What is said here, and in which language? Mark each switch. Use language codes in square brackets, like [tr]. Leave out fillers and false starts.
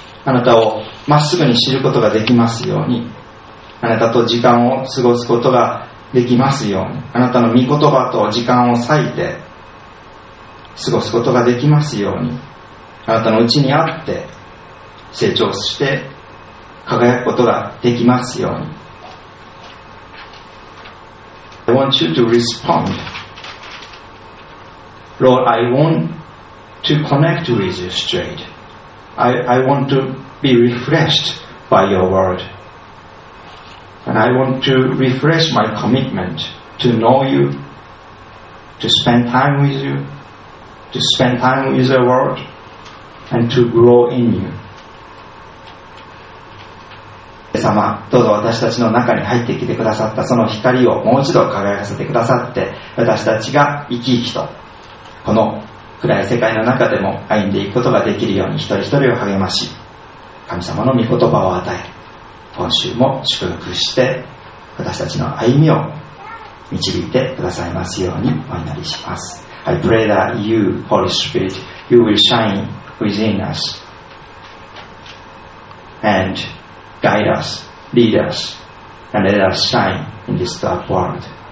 [ja] あなたをまっすぐに知ることができますように。あなたと時間を過ごすことができますように、あなたの御言葉と時間を割いて過ごすことができますように、あなたのうちにあって成長して輝くことができますように。 [en] I want you to respond. Lord, I want to connect with you straight. I want to be refreshed by your word. And I want to refresh my commitment to know you, to spend time with you, to spend time with the world, and to grow in you. [ja] 様、どうぞ私たちの中に入ってきてくださったその光をもう一度輝かせてくださって、私たちが生き生きとこの暗い世界の中でも歩んでいくことができるように一人一人を励まし、神様の御言葉を与え、今週も祝福して私たちの歩みを導いてくださいますようにお祈りします。 [en] I pray that you, Holy Spirit, you will shine within us and guide us, lead us, and let us shine in this dark world.